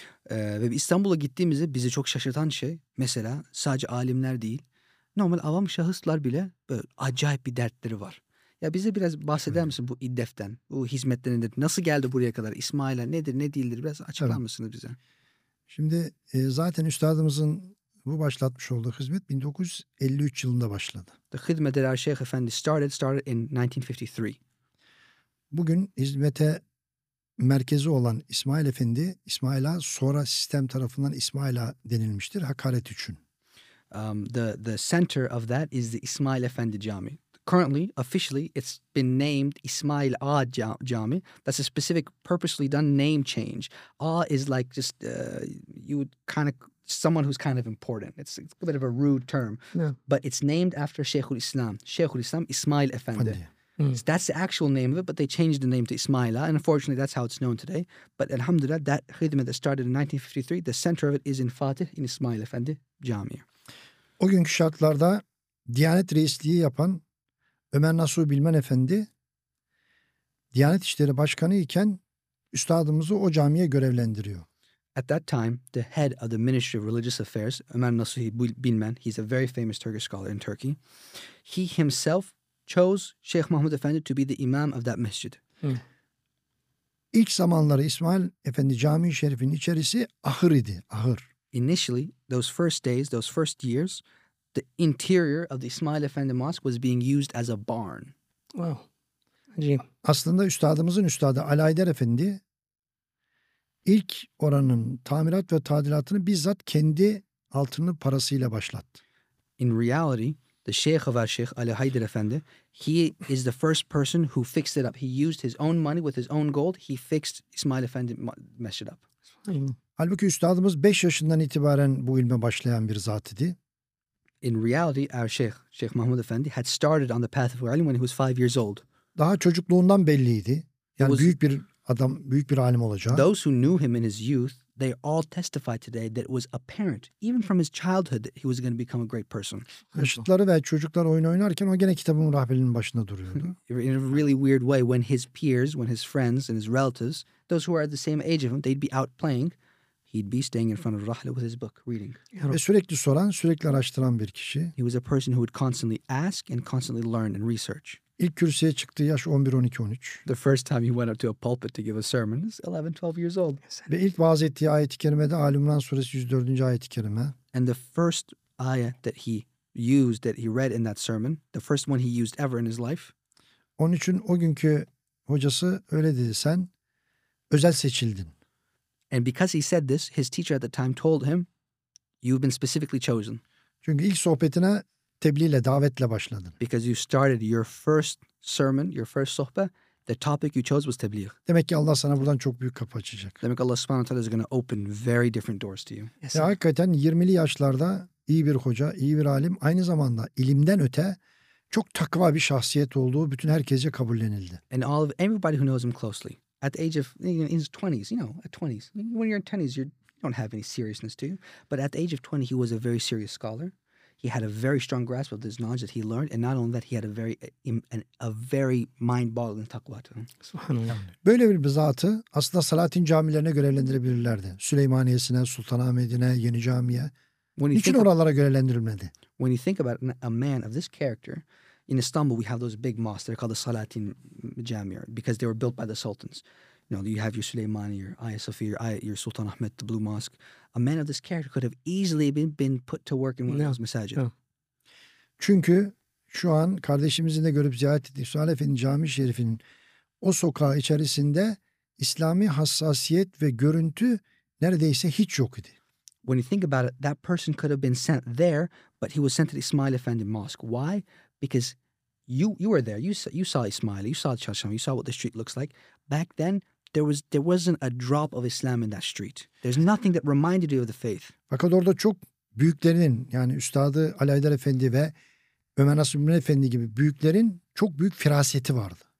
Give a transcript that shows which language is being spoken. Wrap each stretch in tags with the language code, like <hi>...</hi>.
<tr>Ve İstanbul'a gittiğimizde bizi çok şaşırtan şey, mesela sadece alimler değil, normal avam şahıslar bile böyle acayip bir dertleri var. Ya bize biraz bahseder misin bu İDEF'ten, bu hizmetlerinde nasıl geldi buraya kadar, İsmail'e nedir ne değildir biraz açıklar mısınız bize? Şimdi zaten üstadımızın bu başlatmış olduğu hizmet 1953 yılında başladı.</tr> <en>The khidmat that our Sheikh Efendi started in 1953.</en> <tr>Bugün hizmete merkezi olan İsmail Efendi, İsmail Ağa sonra sistem tarafından İsmail Ağa denilmiştir hakaret için.</tr> <en>The center of that is the İsmail Efendi Cami. Currently, officially, it's been named İsmail Ağa Cami. That's a specific purposely done name change. Ağa is like just, you would kind of someone who's kind of important. It's a bit of a rude term. No. But it's named after Sheikhul Islam. Sheikhul Islam Ismail Efendi. Mm. So that's the actual name of it, but they changed the name to Ismaila. And unfortunately, that's how it's known today. But alhamdulillah, that khidmat that started in 1953, the center of it is in Fatih, in Ismail Efendi Camii.</en> <tr>O günkü şartlarda Diyanet Reisliği yapan Ömer Nasuh Bilmen Efendi, Diyanet İşleri Başkanı iken üstadımızı o camiye görevlendiriyor.</tr> <en>At that time, the head of the Ministry of Religious Affairs, Ömer Nasuh Bilmen, he's a very famous Turkish scholar in Turkey. He himself chose Sheikh Mahmud Efendi to be the imam of that masjid. Hmm.</en> <tr>İlk zamanları İsmail Efendi Camii Şerifi'nin içerisi ahır idi, ahır.</tr> <en>Initially, those first days, those first years, the interior of the Ismail Efendi Mosque was being used as a barn. Wow. Acayip.</en> <tr>Aslında üstadımızın üstadı Ali Aydar Efendi ilk oranın tamirat ve tadilatını bizzat kendi altını parasıyla başlattı.</tr> <en>In reality, the Sheikh of our Sheikh, Ali Haydar Efendi, he is the first person who fixed it up. He used his own money with his own gold. He fixed Ismail Efendi Mescid up.</en> <tr>Halbuki üstadımız 5 yaşından itibaren bu ilme başlayan bir zat idi.</tr> <en>In reality, our Sheikh, Sheikh Mahmud Efendi, had started on the path of ilm when he was 5 years old.</en> <tr>Daha çocukluğundan belliydi. Yani was, büyük bir adam, büyük bir alim olacağı.</tr> <en>Those who knew him in his youth, they all testified today that it was apparent, even from his childhood, that he was going to become a great person.</en> <tr>Yaşıtları ve çocuklar oyun oynarken o gene kitabın rahbelinin başında duruyordu.</tr> <en>In a really weird way, when his peers, when his friends and his relatives, those who are at the same age of him, they'd be out playing, he'd be staying in front of Rahle with his book, reading.</en> <tr>Ve sürekli soran, sürekli araştıran bir kişi.</tr> <en>He was a person who would constantly ask and constantly learn and research.</en> <tr>İlk kürsüye çıktığı yaş 11-12-13.</tr> <en>The first time he went up to a pulpit to give a sermon is 11-12 years old.</en> <tr>Ve ilk vaaz ettiği ayet-i kerime de Âl-i İmrân suresi 104. ayet-i kerime.</tr> <en>And the first ayah that he used, that he read in that sermon, the first one he used ever in his life.</en> <tr>Onun için o günkü hocası öyle dedi, sen özel seçildin.</tr> <en>And because he said this, his teacher at the time told him, you've been specifically chosen.</en> <tr>Çünkü ilk sohbetine tebliğle, davetle başladın.</tr> <en>Because you started your first sermon, your first sohbet, the topic you chose was tebliğ.</en> <tr>Demek ki Allah sana buradan çok büyük kapı açacak.</tr> <en>Demek Allah subhanahu wa ta'ala is going to open very different doors to you.</en> <tr>Yes, ve hakikaten 20'li yaşlarda iyi bir hoca, iyi bir alim, aynı zamanda ilimden öte çok takva bir şahsiyet olduğu bütün herkese kabullenildi.</tr> <en>And all of everybody who knows him closely, at the age of, in his 20s, you know, at 20s. When you're in 20s, you don't have any seriousness to you. But at the age of 20, he was a very serious scholar. He had a very strong grasp of this knowledge that he learned. And not only that, he had a very mind-boggling takva to him.</en> <ar>Subhanallah.</ar> <tr>Böyle bir zatı aslında Salatin camilerine görevlendirebilirlerdi. Süleymaniye'sine, Sultanahmet'ine, Yeni Camii'ye. Niçin oralara görevlendirilmedi?</tr> <en>When you think about a man of this character, in Istanbul, we have those big mosques. They're called the Salatin Camii because they were built by the sultans. You know, you have your Süleymaniye, your Hagia Sophia, your Sultan Ahmet, the Blue Mosque. A man of this character could have easily been put to work in one of those masajid.</en> <tr>Çünkü şu an kardeşimizin de görüp ziyaret ettiği Süleyman Efendi Camii Şerifi'nin o sokağı içerisinde İslami hassasiyet ve görüntü neredeyse hiç yok idi.</tr> <en>When you think about it, that person could have been sent there, but he was sent to the İsmail Efendi Mosque. Why? Because you were there, you saw Ismaili, you saw Çarşamba, you saw what the street looks like. Back then, there wasn't a drop of Islam in that street. There's nothing that reminded you of the faith.</en> <tr>Fakat orada çok büyüklerin, yani Üstadı Ali Aydar Efendi ve Ömer Nasuh Bilmen Efendi gibi büyüklerin çok büyük firaseti vardı.</tr>